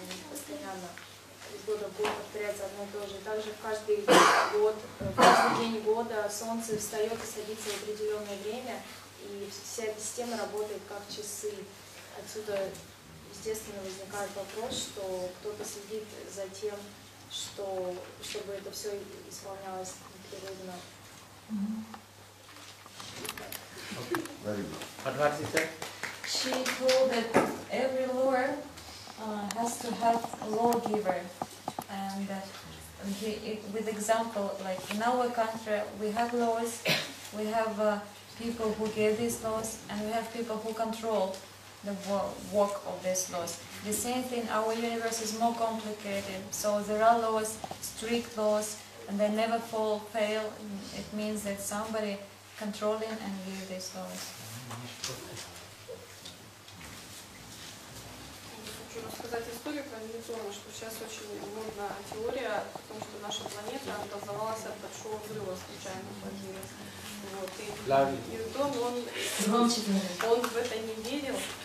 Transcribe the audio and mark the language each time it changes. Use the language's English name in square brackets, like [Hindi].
[Russian] Постоянно из года в год повторяется одно и то же. Также в каждый год, в каждый день года солнце встает и садится в определенное время, и вся эта система работает как часы. Отсюда, естественно, возникает вопрос, что кто-то следит за тем, чтобы это все исполнялось природно. [English] She told that every lord has to help lawgiver, and that with example, like in our country we have laws, we have people who give these laws, and we have people who control the work of these laws. The same thing, our universe is more complicated, so there are laws, strict laws, and they never fail. It means that somebody controlling and give these laws. [Russian] Рассказать историю про Ньютона, что сейчас очень модна теория о том, что наша планета образовалась от большого взрыва случайно появилась. Вот. И Ньютон, он в это не верил.